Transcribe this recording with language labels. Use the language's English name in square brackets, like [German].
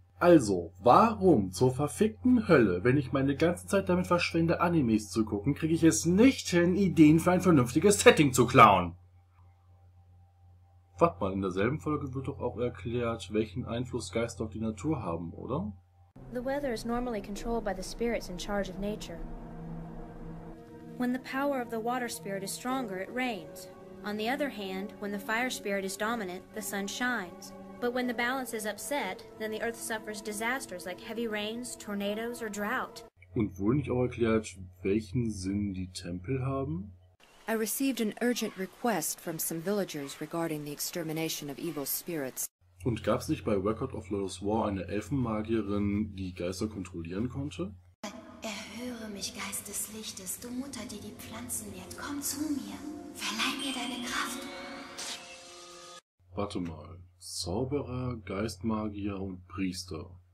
[German] Also, warum zur verfickten Hölle, wenn ich meine ganze Zeit damit verschwende, Animes zu gucken, kriege ich es nicht hin, Ideen für ein vernünftiges Setting zu klauen? Warte mal, in derselben Folge wird doch auch erklärt, welchen Einfluss Geister auf die Natur haben, oder? [English] The weather is normally controlled by the spirits in charge of nature. When the power of the water spirit is stronger, it rains. On the other hand, when the fire spirit is dominant, the sun shines. But when the balance is upset, then the earth suffers disasters like heavy rains, tornadoes or drought. [German] Und wurde nicht auch erklärt, welchen Sinn die Tempel haben? [English] I received an urgent request from some villagers regarding the extermination of evil spirits. [German] Und gab's nicht bei Record of Lotus War eine Elfenmagierin, die Geister kontrollieren konnte? Erhöre mich, Geist des Lichtes, du Mutter, die die Pflanzen nährt, komm zu mir. Verleih mir deine Kraft! Warte mal, Zauberer, Geistmagier und Priester.